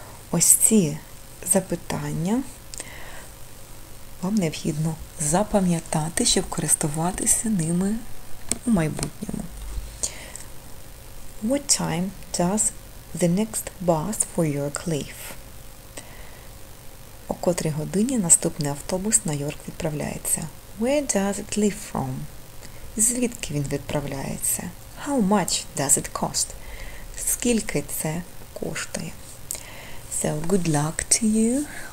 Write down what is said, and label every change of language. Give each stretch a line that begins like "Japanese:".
Ukrainian: Ось ці запитання вам необхідно запам'ятати, щоб користуватися ними у майбутньому.
English: What time does the next bus for York leave?
Ukrainian: О котрій годині наступний автобус на Йорк відправляється?
English: Where does it leave from?
Ukrainian: Звідки він відправляється?
English: How much does it cost?
Ukrainian: Скільки це коштує?
English: So, good luck to you!